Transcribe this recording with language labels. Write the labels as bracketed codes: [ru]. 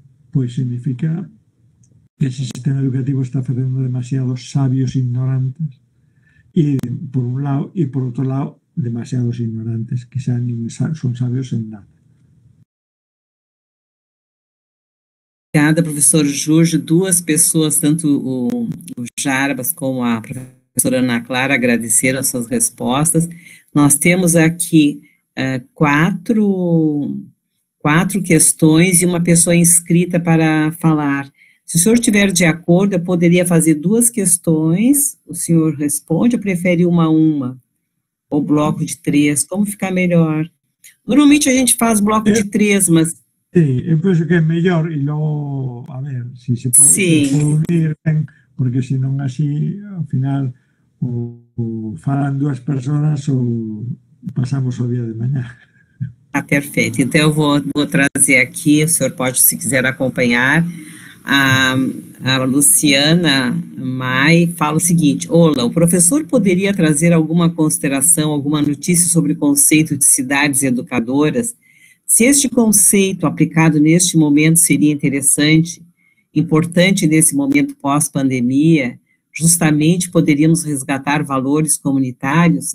[es] Pues significa que ese sistema educativo está haciendo demasiados sabios ignorantes, y por un lado, y por otro lado, demasiados ignorantes, que sean, son sabios en nada. [pt] Obrigada, professor Jorge. Duas pessoas, tanto o Jarbas como a professora Ana Clara, agradeceram as suas respostas. Nós temos aqui quatro questões e uma pessoa inscrita para falar. Se o senhor estiver de acordo, eu poderia fazer duas questões. O senhor responde ou prefere uma a uma? Ou bloco de três? Como ficar melhor? Normalmente a gente faz bloco de três, mas... [es] Sí, yo pienso que es mejor y luego, a ver, si se puede, sí, se puede unir, porque si no así, al final, o falan dos personas o pasamos el día de mañana. Ah, perfecto. Entonces, yo voy a traer aquí, el señor puede, [pt] si quiser, [es] acompañar a Luciana Mai. [pt] Fala o seguinte: hola, ¿o professor poderia trazer alguma consideração, alguma notícia sobre o conceito de cidades educadoras? Se este conceito aplicado neste momento seria interessante, importante nesse momento pós-pandemia, justamente poderíamos resgatar valores comunitários?